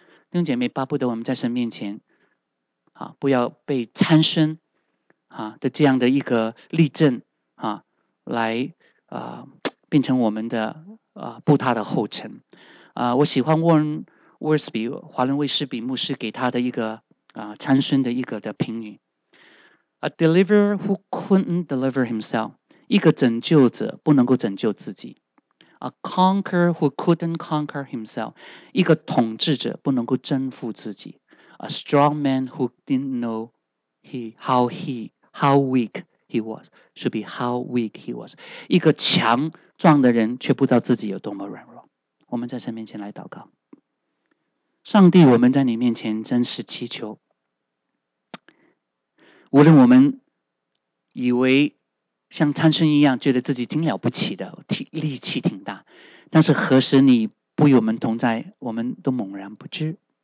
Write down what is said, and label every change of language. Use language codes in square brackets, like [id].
[zh] 弟兄姐妹，巴不得我们在神面前啊，不要被参孙啊的这样的一个例证啊来变成我们的步他的后尘。我喜欢 Warren Wiersbe 华伦卫士比牧师给他的一个参孙的一个的评语。 [en] A deliverer who couldn't deliver himself. [zh] 一个拯救者不能够拯救自己。 [en] A conqueror who couldn't conquer himself. [zh] 一个统治者不能够征服自己。 [en] A strong man who didn't know how weak he was. Should be how weak he was. [zh] 一个强壮的人却不知道自己有多么软弱。我们在神面前来祷告。上帝，我们在你面前真实祈求，无论我们以为像参孙一样觉得自己挺了不起的，力气挺大，但是何时你不与我们同在，我们都猛然不知。